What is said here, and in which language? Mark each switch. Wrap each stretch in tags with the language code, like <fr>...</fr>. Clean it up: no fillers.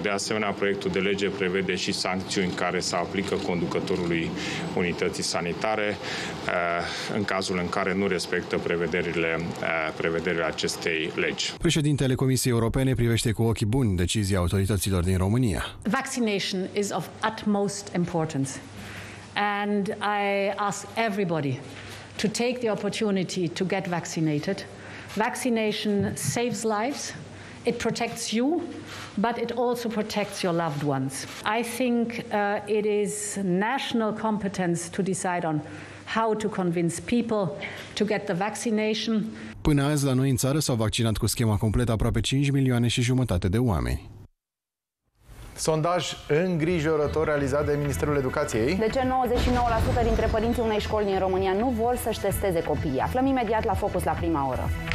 <ro>De asemenea, proiectul de lege prevede și sancțiuni care se aplică conducătorului unității sanitare în cazul în care nu respectă prevederile acestei legi. Președintele Comisiei Europene privește cu ochii buni decizia autorităților din România.</ro> <en>Vaccination is of utmost importance and I ask everybody to take the opportunity to get vaccinated. Vaccination saves lives, It protects you, but it also protects your loved ones. I think it is national competence to decide on how to convince people to get the vaccination.</en> <ro>Până azi, la noi în țară s-au vaccinat cu schema completă aproape 5 milioane și jumătate de oameni. Sondaj îngrijorător realizat de Ministerul Educației. De ce 99% dintre părinții unei școli din România nu vor să-și testeze copiii? Aflăm imediat la Focus la prima oră.</ro>